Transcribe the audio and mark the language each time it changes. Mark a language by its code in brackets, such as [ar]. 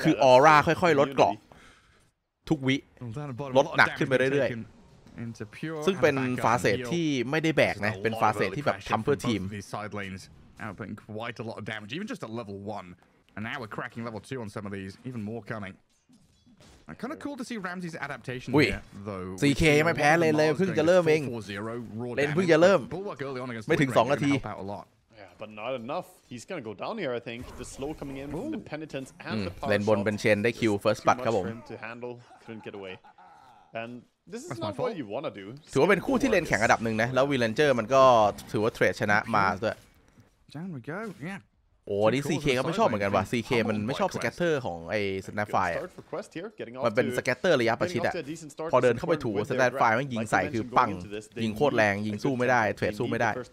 [th] คือออร่าค่อยๆลดเกราะทุกวิลดหนักขึ้นไปเรื่อยๆซึ่งเป็นฟาเซตที่ไม่ได้แบกนะเป็นฟาเซตที่แบบทำเพื่อทีมCK ยังไม่แพ้เลยเพิ่งจะเริ่มเองเล่นเพิ่งจะเริ่มไม่ถึง2นาที [en] But not enough. He's gonna go down here. I think the slow coming in from the penitence and the power shot. [th] เล่นบนเชนได้คิว first blood ครับผม [en] To handle, couldn't get away. And this is not what you wanna do. [th] ถือว่าเป็นคู่ที่เล่นแข่งระดับหนึ่งนะแล้ววีแลนเจอร์มันก็ถือว่าเทรดชนะมาด้วย [en] Down we go. Yeah. [th] โอ้นี่ CK ก็ไม่ชอบเหมือนกันว่ะ CK มันไม่ชอบสแกตเตอร์ของไอ้ Snapfire มันเป็นสแกตเตอร์ระยะประชิดอ่ะพอเดินเข้าไปถู Snapfire มันยิงใส่คือปังยิงโคตรแรงยิงสู้ไม่ได้เทรดสู้ไม่ได